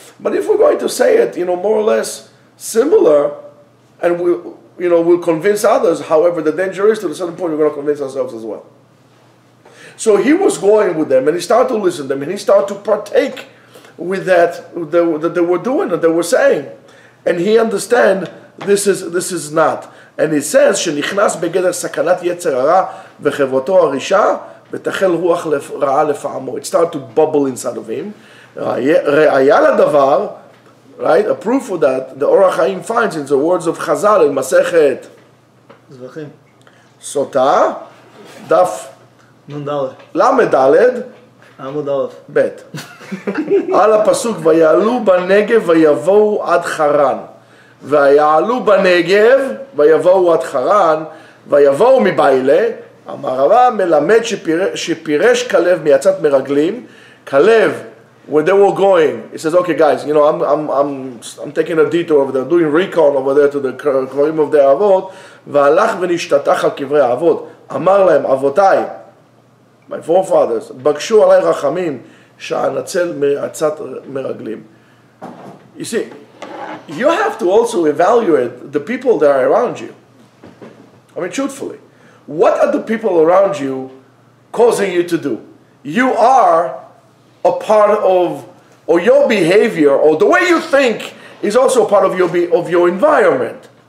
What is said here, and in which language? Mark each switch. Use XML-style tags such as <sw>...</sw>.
<en>But if we're going to say it, you know, more or less similar, and we'll convince others, however the danger is, to a certain point, we're going to convince ourselves as well. So he was going with them, and he started to listen to them, and he started to partake with that, that they were doing, that they were saying. And he understand, this is not. And he says,</en> <he>שנכנס בגדר סכנת יצר הרע וחברתו הרישה, ותחל רוח רעה לפעמו.</he> <en>It started to bubble inside of him.</en> <he>ראייה לדבר,</he> <en>right? A proof of that, the Or HaChaim finds in the words of Chazal, in מסכת.</en> <he>זבחים. סוטה, דף. נון דלת. למה דלת? עמוד אלף. בית. על הפסוק, ויעלו בנגב ויבואו עד חרן. ויעלו בנגב ויבואו עד חרן, ויבואו מביילה, המערבה מלמד שפירש כלב מיצת מרגלים, כלב,</he> <en>where they were going, he says, okay guys, you know, I'm taking a detour over there, doing recon over there to the</en> <he>קברים of the אבות, והלך ונשתתח על קברי האבות, אמר להם, אבותיי,</he> <en>my forefathers,</en> <he>בקשו עליי רחמים, שאנצל מיצת מרגלים.</he> <en>You see, you have to also evaluate the people that are around you. I mean, truthfully, what are the people around you causing you to do? You are a part of, or your behavior, or the way you think is also a part of your environment.</en>